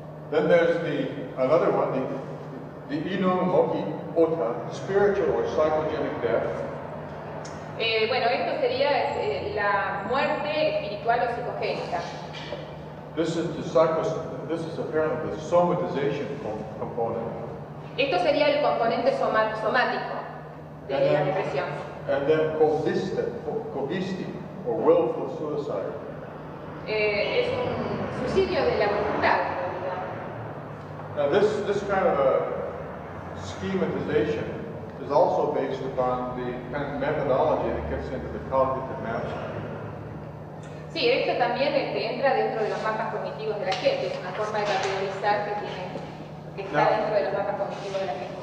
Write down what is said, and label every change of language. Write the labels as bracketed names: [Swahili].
[English] Then there's another one, the Inon Hoki Ota, spiritual or psychogenic death. [Spanish] Bueno, esto sería la muerte espiritual o psicogénica. [English] This is apparently the somatization component. [Spanish] Esto sería el componente somático de la depresión. [English] And then cogisti, or willful suicide. [Spanish] Es un suicidio de la voluntad. [English] Now this kind of a schematization is also based upon the kind of methodology that gets into the cognitive maps. [Spanish] Sí, esto también entra dentro de los mapas cognitivos de la gente, es una forma de categorizar que está [English] now, [Spanish] dentro de los mapas cognitivos de la gente.